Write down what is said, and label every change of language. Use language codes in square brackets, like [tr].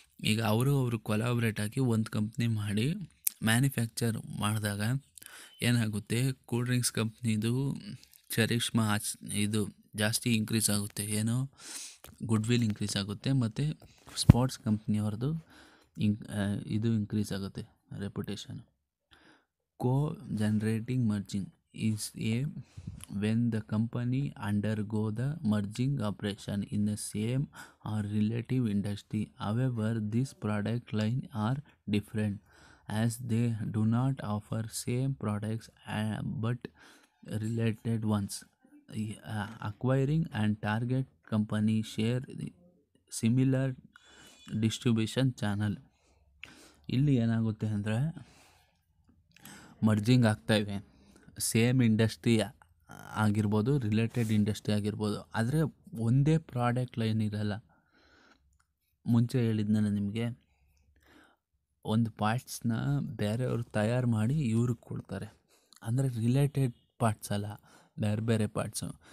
[kn] ಈಗ ಅವರು ಕೊಲಾಬ್ರೇಟ್ ಆಗಿ ಒಂದು ಕಂಪ್ನಿ ಮಾಡಿ ಮ್ಯಾನುಫ್ಯಾಕ್ಚರ್ ಮಾಡಿದಾಗ ಏನಾಗುತ್ತೆ, ಕೂಲ್ ಡ್ರಿಂಕ್ಸ್ ಕಂಪ್ನಿದು ಚರಿಷ್ಮಾ ಇದು ಜಾಸ್ತಿ ಇನ್ಕ್ರೀಸ್ ಆಗುತ್ತೆ, ಏನು ಗುಡ್ವಿಲ್ ಇನ್ಕ್ರೀಸ್ ಆಗುತ್ತೆ, ಮತ್ತು ಸ್ಪೋರ್ಟ್ಸ್ ಕಂಪ್ನಿಯವ್ರದ್ದು ಇದು ಇನ್ಕ್ರೀಸ್ ಆಗುತ್ತೆ reputation. Co generating merging, [en] is a when the company undergo the merging operation in the same or relative industry. However, these product line are different as they do not offer same products but related ones. Acquiring and target company share similar distribution channel. [kn] ಇಲ್ಲಿ ಏನಾಗುತ್ತೆ ಅಂದರೆ merging ಆಗ್ತಾಯಿವೆ, same industry ಆಗಿರ್ಬೋದು, related industry ಆಗಿರ್ಬೋದು, ಆದರೆ ಒಂದೇ product line ಇರಲ್ಲ. ಮುಂಚೆ ಹೇಳಿದ್ನಲ್ಲ ನಿಮಗೆ, ಒಂದು ಪಾರ್ಟ್ಸ್ನ ಬೇರೆಯವರು ತಯಾರು ಮಾಡಿ ಇವ್ರಿಗೆ ಕೊಡ್ತಾರೆ, ಅಂದರೆ ರಿಲೇಟೆಡ್ ಪಾರ್ಟ್ಸ್ ಅಲ್ಲ, ಬೇರೆ ಬೇರೆ ಪಾರ್ಟ್ಸು.